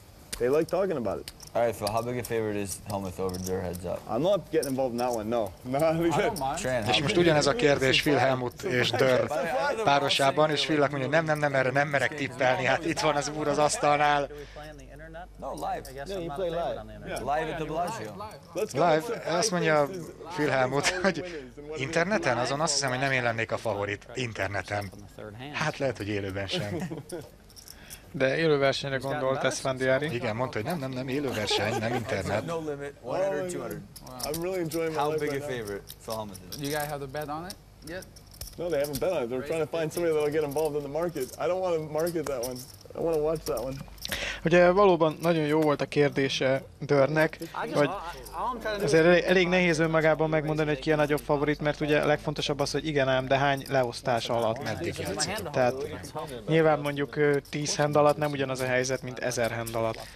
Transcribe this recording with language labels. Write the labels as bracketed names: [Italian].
[English] They like talking about it. All right, Phil, how big a favorite is Helmut over Dur heads up? I'm not getting involved in that one, no. No, I don't mind. [Hungarian] És most ugyanez a kérdés Phil Helmut és Dur párosában, és Phil mondja, nem, erre nem merek tippelni, hát itt van az úr az asztalnál. [English] No, live. Yeah, you play live. Live at the Bellagio. Live, [Hungarian] azt mondja Phil Helmut, hogy interneten? Azon azt hiszem, hogy nem én lennék a favorit interneten. Hát lehet, hogy élőben sem. De élő versenyre gondolt Esfandiari. Igen, mondta, hogy nem, élő verseny, nem internet. [English] No limit, 100, 200. I'm really enjoying my How life big right a favorite? Now. You guys have the bet on it yet? No, they haven't bet on it. They're trying to find somebody that will get involved in the market. I don't want to market that one. I want to watch that one. [Hungarian] Ugye valóban nagyon jó volt a kérdése Dörnek, hogy azért elég nehéz önmagában megmondani, hogy ki a nagyobb favorit, mert ugye a legfontosabb az, hogy igen ám, de hány leosztás alatt. Tehát nyilván mondjuk 10 hand alatt nem ugyanaz a helyzet, mint 1000 hand alatt.